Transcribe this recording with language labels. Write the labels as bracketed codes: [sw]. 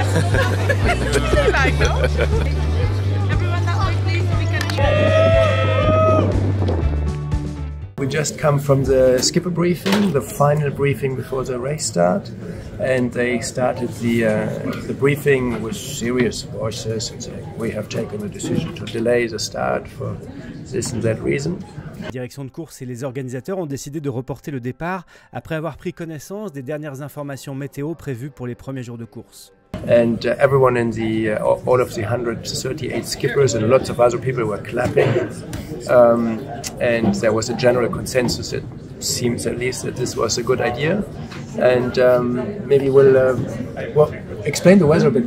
[en] Everyone that way, please. We We just come from the skipper briefing, the final briefing before the race start. And they started the briefing with serious voices and saying, we have taken a decision to delay the start for this and that reason. [fr] La direction de course et les organisateurs ont décidé de reporter le départ après avoir pris connaissance des dernières informations météo prévues pour les premiers jours de course. [en] And everyone in the all of the 138 skippers and lots of other people were clapping, and there was a general consensus that seems at least that this was a good idea. And maybe we'll explain the weather a bit.